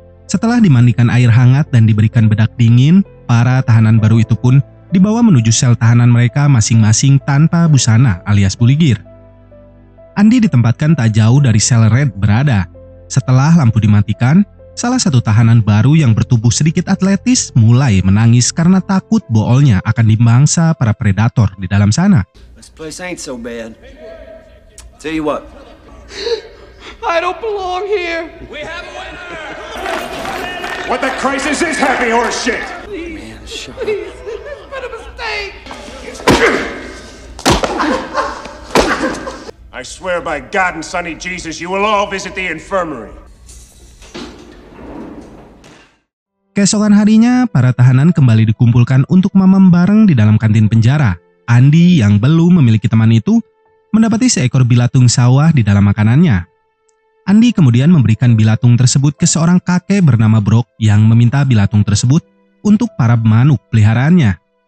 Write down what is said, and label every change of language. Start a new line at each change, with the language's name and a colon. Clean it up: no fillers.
Indonesian: Setelah dimandikan air hangat dan diberikan bedak dingin, para tahanan baru itu pun dibawa menuju sel tahanan mereka masing-masing tanpa busana alias buligir. Andy ditempatkan tak jauh dari sel Red berada. Setelah lampu dimatikan, salah satu tahanan baru yang bertubuh sedikit atletis mulai menangis karena takut boolnya akan dimangsa para predator di dalam sana.
English: This place ain't so bad. Tell you what, I don't belong here. We have a winner. What the crisis is happy or shit? Man, shut up. Please, it's been a mistake. I swear by God and Sonny Jesus, you will all visit the infirmary.
Indonesian: Keesokan harinya, para tahanan kembali dikumpulkan untuk mamam bareng di dalam kantin penjara. Andy yang belum memiliki teman itu, mendapati seekor bilatung sawah di dalam makanannya. Andy kemudian memberikan bilatung tersebut ke seorang kakek bernama Brock yang meminta bilatung tersebut untuk para manuk peliharaannya.